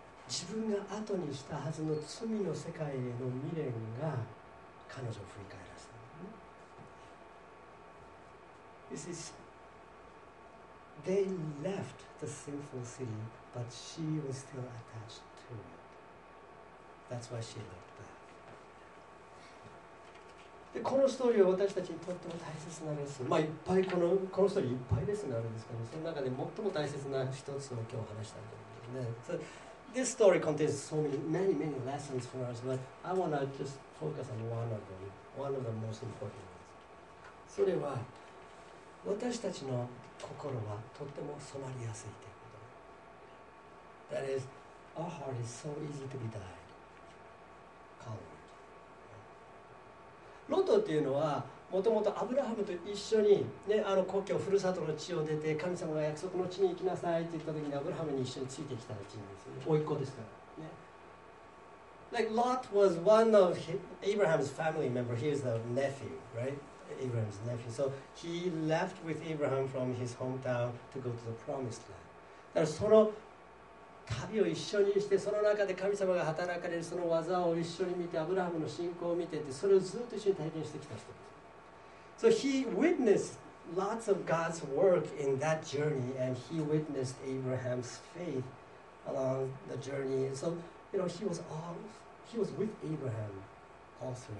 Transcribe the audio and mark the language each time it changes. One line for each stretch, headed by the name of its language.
Japanese: 自分が後にしたはずの罪の世界への未練が彼女を振り返らせた。
English: This is, they left the sinful city, but she was still attached to it. That's why she looked back.
Japanese: で、このストーリーは私たちにとっても大切なレッスン。まあ、いっぱいこのストーリーいっぱいレッスンがあるんですけど、その中で最も大切な一つを今日話したいと思うんですね。
English: So, this story contains so many, many lessons for us, but I want to just focus on one of the most important ones.
Japanese: それは、私たちの心はとっても染まりやすいということ。
English: That is, our heart is so easy to be dyed. Colored.
Japanese: ロトっていうのは、もともとアブラハムと一緒に、ね、あの故郷、ふるさとの地を出て、神様が約束の地に行きなさいって言ったときに、アブラハムに一緒についてきた地なんですよ。甥っ子ですから。ね。
English: Like, Lot was one of Abraham's family member. He is the nephew, right? Abraham's nephew. So he left with Abraham from his hometown to go to the promised land.
Japanese: だからその旅を一緒にして、その中で神様が働かれるその技を一緒に見て、アブラハムの信仰を見てって、それをずっと一緒に体験してきた人です。
English: So he witnessed lots of God's work in that journey, and he witnessed Abraham's faith along the journey. So, you know, he was with Abraham all throughout.